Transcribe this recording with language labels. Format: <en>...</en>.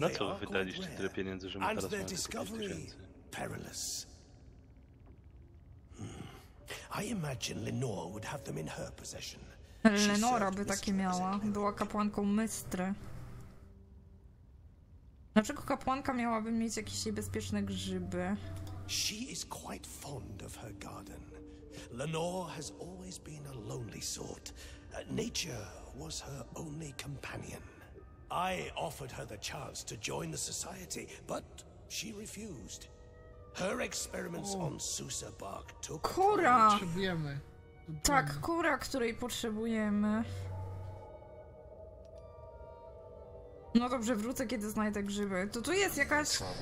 <pl>na co wydaliście tyle pieniędzy, że my teraz mamy tylko 5000?</pl> <en>I imagine Lenora would have them in her possession.</en> <pl>Lenora by takie miała. Była kapłanką Mystry. Dlaczego kapłanka miałaby mieć jakieś niebezpieczne grzyby?</pl> <en>She is quite fond of her garden. Lenora has always been a lonely sort. Nature was her only companion. I offered her the chance to join the society, but she refused. Her experiments on Susa bark took.</en> <pl>Kura! Potrzebujemy. Tak, kura, której potrzebujemy. No dobrze, wrócę, kiedy znajdę grzyby. To tu jest jakaś.</pl>